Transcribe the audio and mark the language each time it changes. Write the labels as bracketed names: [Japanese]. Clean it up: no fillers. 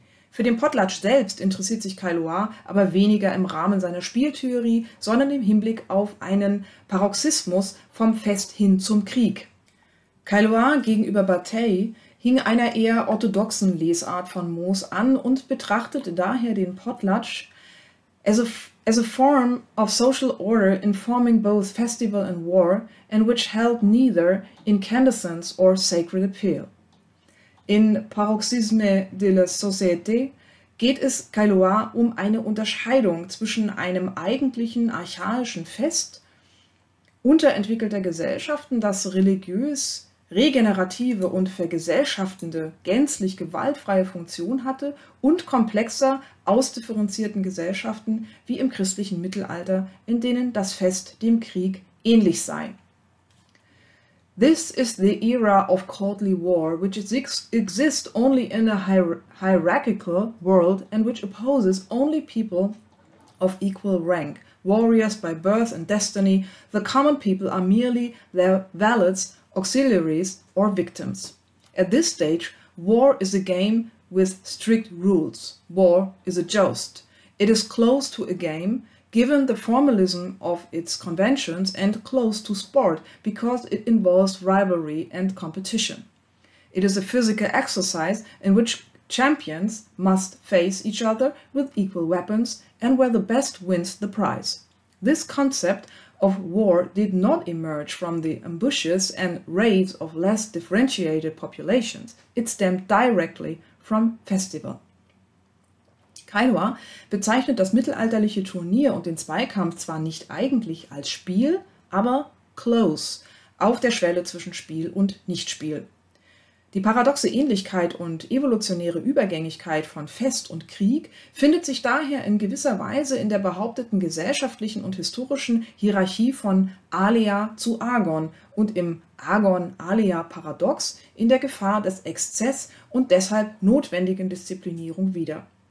[German] Für den Potlatch selbst interessiert sich Kai Loire aber weniger im Rahmen seiner Spieltheorie, sondern im Hinblick auf einen Paroxysmus vom Fest hin zum Krieg. Kai Loire gegenüber Bataille hing einer eher orthodoxen Lesart von Moos an und betrachtete daher den Potlatch [English] as a as a form of social order informing both festival and war, and which held neither incandescence or sacred appeal. [German] In Paroxysme de la Société geht es Caillois um eine Unterscheidung zwischen einem eigentlichen archaischen Fest unterentwickelter Gesellschaften, das religiös, regenerative und vergesellschaftende, gänzlich gewaltfreie Funktion hatte, und komplexer, ausdifferenzierten Gesellschaften wie im christlichen Mittelalter, in denen das Fest dem Krieg ähnlich sei. [English] This is the era of courtly war, which exists only in a hierarchical world and which opposes only people of equal rank. Warriors by birth and destiny, the common people are merely their valets, auxiliaries or victims. At this stage, war is a game with strict rules. War is a joust. It is close to a game, given the formalism of its conventions, and close to sport because it involves rivalry and competition. It is a physical exercise in which champions must face each other with equal weapons and where the best wins the prize. This concept of war did not emerge from the ambushes and raids of less differentiated populations. It stemmed directly from festival. [German] Caillois bezeichnet das mittelalterliche Turnier und den Zweikampf zwar nicht eigentlich als Spiel, aber close, auf der Schwelle zwischen Spiel und Nichtspiel. Die paradoxe Ähnlichkeit und evolutionäre Übergängigkeit von Fest und Krieg findet sich daher in gewisser Weise in der behaupteten gesellschaftlichen und historischen Hierarchie von Alia zu Agon und im Agon-Alia-Paradox in der Gefahr des Exzess und deshalb notwendigen Disziplinierung wieder.